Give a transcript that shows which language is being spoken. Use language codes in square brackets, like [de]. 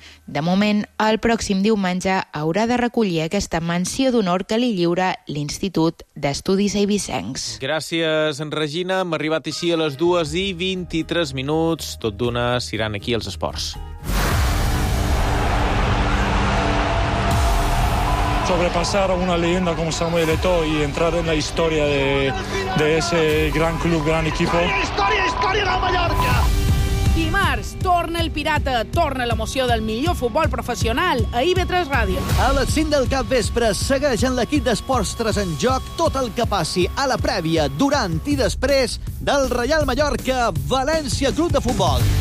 [ca] De moment, el pròxim diumenge haurà de recollir aquesta menció d'honor que li lliura l'Institut d'Estudis Eivissencs. Gràcies, en Regina. Hem arribat així a les 2:23. Tot d'una, seran aquí els esports. [es] Sobrepassar una leyenda como Samuel Eto'o y entrar en la historia de ese gran club, gran equipo. ¡Historia, historia, historia de Mallorca! [ca] Dimarts, torna el Pirata, torna l'emoció del millor futbol professional a IB3 Ràdio. A les 5 del capvespre segueix en l'equip d'esports 3 en joc tot el que passi a la prèvia, durant i després del Reial Mallorca-València Club de Futbol.